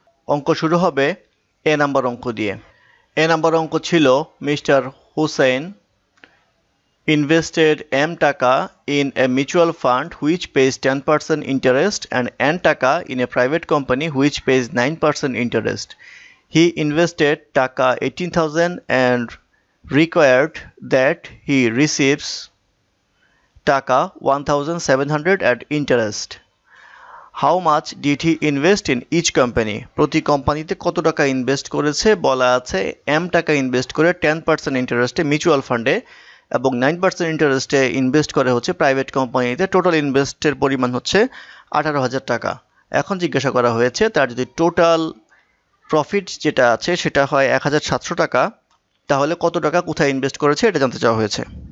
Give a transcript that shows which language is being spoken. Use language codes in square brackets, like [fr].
[bn] অঙ্ক শুরু হবে এ নাম্বার অঙ্ক দিয়ে। এ নাম্বার অঙ্ক ছিল [en] Mister Hussain invested M taka in a mutual fund which pays 10% interest and N taka in a private company which pays 9% interest. He invested taka 18,000 and required that he receives taka 1,700 at interest. How much did he invest in each company? [bn] প্রতি কোম্পানিতে কত টাকা invest করেছে বলা আছে। M টাকা invest করে 10% ইন্টারেস্টে মিউচুয়াল ফান্ডে এবং 9% ইন্টারেস্টে ইনভেস্ট করে হচ্ছে প্রাইভেট কোম্পানিতে। টোটাল ইনভেস্টের পরিমাণ হচ্ছে 18,000 টাকা। এখন জিজ্ঞাসা করা হয়েছে তার যদি টোটাল প্রফিট যেটা আছে সেটা হয় 1,700 টাকা, তাহলে কত টাকা কোথায় ইনভেস্ট করেছে এটা জানতে চাওয়া হয়েছে।